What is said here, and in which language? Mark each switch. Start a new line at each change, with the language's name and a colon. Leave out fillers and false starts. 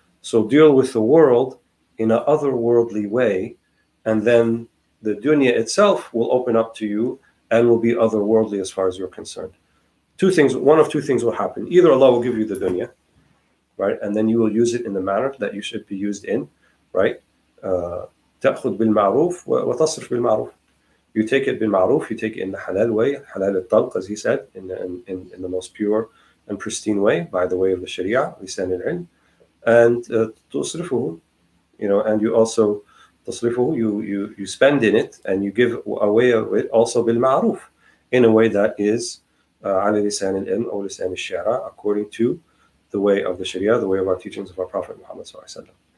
English: So deal with the world in an otherworldly way, and then the dunya itself will open up to you and will be otherworldly as far as you're concerned. Two things, one of two things will happen. Either Allah will give you the dunya, right? And then you will use it in the manner that you should be used in, right?
Arabic: تأخذ بالمعروف وتصرف بالمعروف.
English: You take it
Arabic: bil ma'roof,
English: you take it in the halal way, halal al-talq, as he said, in the most pure and pristine way, by the way of the sharia, lisan al-ilm, and tusrifuhu, you know, and you also, tusrifuhu, you spend in it, and you give away of it also bil ma'roof, in a way that is
Arabic: ala lisan al-ilm
English: or lisan al-shara, according to the way of the sharia, the way of our teachings of our Prophet Muhammad sallallahu alayhi wa sallam.